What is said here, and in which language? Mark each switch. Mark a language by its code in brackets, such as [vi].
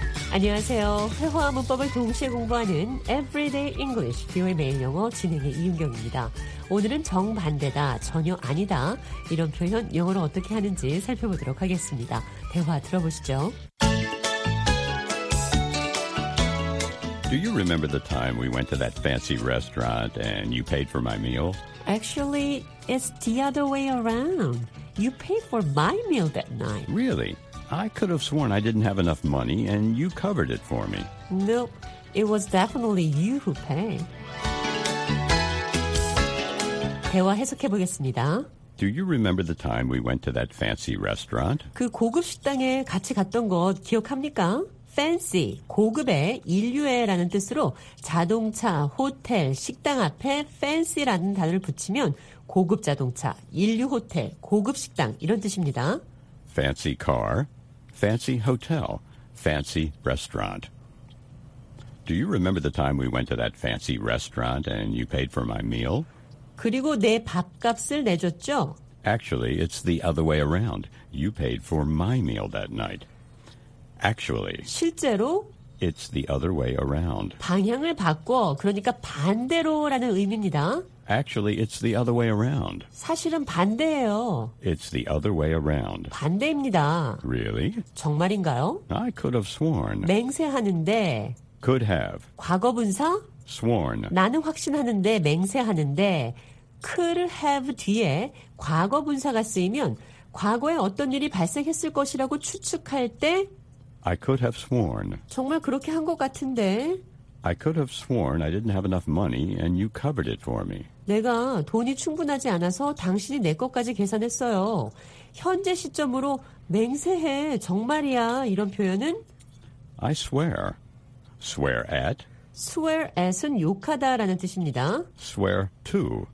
[ko] 안녕하세요. 회화 문법을 동시에 공부하는 Everyday English, 귀의 매일 영어 진행의 이윤경입니다. 오늘은 정반대다, 전혀 아니다 이런 표현 영어로 어떻게 하는지 살펴보도록 하겠습니다. 대화 들어보시죠. [en] Do you remember the time we went to that fancy restaurant and you paid for my meal? Actually, it's the other way around. You paid for my meal that night. Really? I could have sworn I didn't have enough money, and you covered it for me. Nope. It was definitely you who paid. [ko] 대화 해석해 보겠습니다. [en] Do you remember the time we went to that fancy restaurant? [ko] 그 고급 식당에 같이 갔던 것 기억합니까? Fancy, 고급의 인류애라는 뜻으로 자동차, 호텔, 식당 앞에 fancy라는 단어를 붙이면 고급 자동차, 인류 호텔, 고급 식당 이런 뜻입니다. [en] Fancy car, fancy hotel, fancy restaurant. Do you remember the time we went to that fancy restaurant and you paid for my meal? [ko] 그리고 내 밥값을 내줬죠? [en] Actually, it's the other way around. You paid for my meal that night. Actually, [ko] 실제로? [en] It's the other way around. [ko] 방향을 바꿔, 그러니까 반대로라는 의미입니다. [en] Actually, it's the other way around. [ko] 사실은 반대예요. [en] It's the other way around. [ko] 반대입니다. [en] Really? [ko] 정말인가요? [en] I could have sworn. [ko] 맹세하는데. [en] Could have. [ko] 과거분사? [en] Sworn. [ko] 나는 확신하는데, 맹세하는데. Could have 뒤에 과거분사가 쓰이면 과거에 어떤 일이 발생했을 것이라고 추측할 때. [en] I could have sworn. [ko] 정말 그렇게 한 것 같은데. [en] I could have sworn I didn't have enough money and you covered it for me. [ko] 내가 돈이 충분하지 않아서 당신이 내 것까지 계산했어요. 현재 시점으로 맹세해, 정말이야 이런 표현은 [en] I swear. Swear at. [ko] Swear at은 욕하다라는 뜻입니다. [en] Swear to.